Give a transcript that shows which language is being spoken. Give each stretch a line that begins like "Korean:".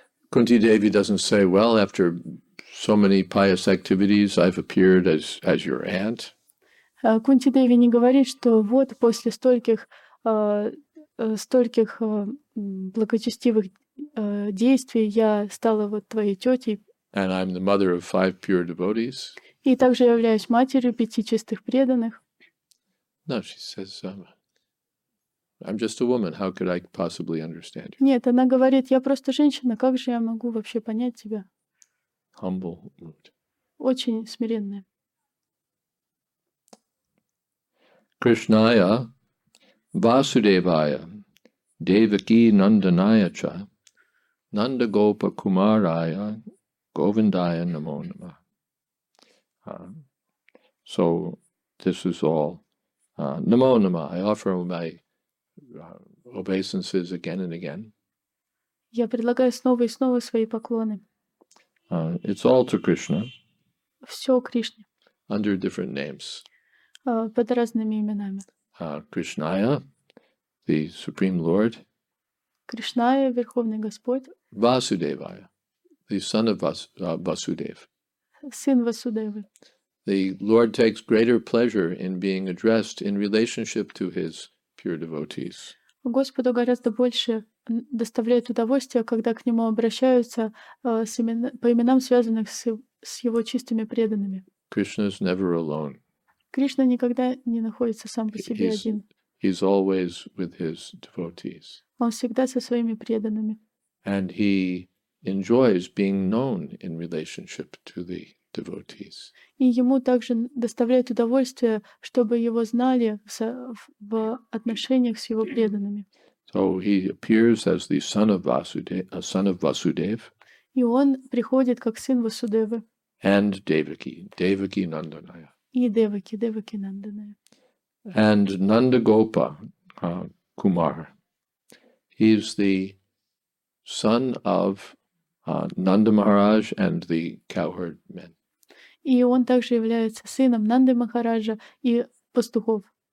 English: Kunti Devi doesn't say, well, after so many pious activities, I've appeared as your aunt.
Russian: Kunti Devi не говорит, что вот после стольких, стольких благочестивых действий я стала вот твоей тетей.
English: And I'm the mother of five pure devotees.
Russian: И также являюсь матерью пяти чистых преданных.
English: No, she says, I'm just a woman. How could I possibly understand you?
Russian: Нет, она говорит, я просто женщина. Как же я могу вообще понять тебя?
English: Humble.
Russian: Очень смиренная.
Sanskrit: Кришная, Васудевая, Девики Нанданая ча, Нандагопа Кумарая, Говиндая Намо Нама.
English: So, this is all.
Sanskrit: Namo Nama,
English: I offer my obeisances again and again.
Russian: Я предлагаю снова и снова свои поклоны.
English: It's all to Krishna.
Russian: Все Кришне.
English: Under different names.
Russian: Под разными именами.
English: Кришная, the Supreme Lord.
Russian: Кришная, Верховный Господь.
English: Васудевая, the son of Васудев.
Russian: Сын Васудевы.
English: The Lord takes greater pleasure in being addressed in relationship to his pure devotees.
Russian: Господу гораздо больше доставляет удовольствие, когда к нему обращаются по именам, связанных с его чистыми преданными.
English: Krishna is never alone.
Russian: Кришна никогда не находится сам по себе один.
English: He's always with his devotees.
Russian: Он всегда со своими преданными.
English: And he enjoys being known in relationship to the devotees.
Russian: И ему также доставляет удовольствие, чтобы его знали в отношениях с его преданными.
English: So he appears as the son of Vasudeva, a son of Vasudev.
Russian: И он приходит как сын Васудевы.
English: And Devaki, Devaki Nandanaya.
Russian: И Деваки, Деваки Нанданая.
English: And Nandagopa, Kumar. He is the son of Nanda Maharaj and the cowherd men.
Russian: И он также является сыном Нанды Махараджа и пастухов.